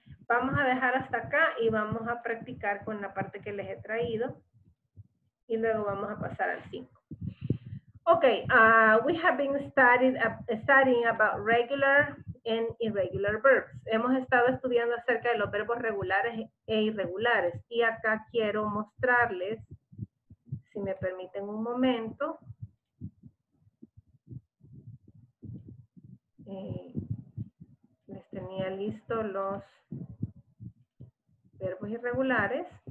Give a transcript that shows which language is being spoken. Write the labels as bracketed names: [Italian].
[Spanish] Vamos a dejar hasta acá y vamos a practicar con la parte que les he traído. Y luego vamos a pasar al 5. [English] Okay, we have been studying about regular and irregular verbs. [Spanish] Hemos estado estudiando acerca de los verbos regulares e irregulares. Y acá quiero mostrarles, si me permiten un momento. Les tenía listo los verbos irregulares.